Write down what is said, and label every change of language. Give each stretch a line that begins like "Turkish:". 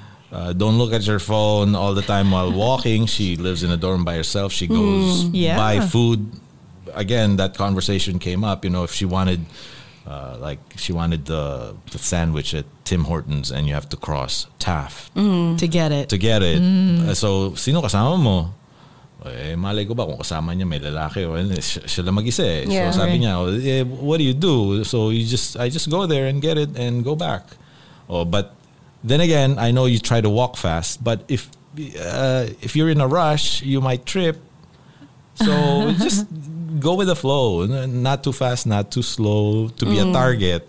English: Don't look at your phone all the time while walking. She lives in a dorm by herself. She goes buy food. Again, that conversation came up. You know, if she wanted, like, she wanted the sandwich at Tim Hortons, and you have to cross Taft to get it. To get it. Mm. So,
Filipino: sino kasama mo? Eh, malay ko ba kung kasama niya may lalaki o siya lang mag-isa.
English: So
Filipino: sabi niya,
English: what do you do? So you just, I just go there and get it and go back. Oh, but then again, I know you try to walk fast, but if you're in a rush, you might trip. So just go with the flow, not too fast, not too slow to be a target.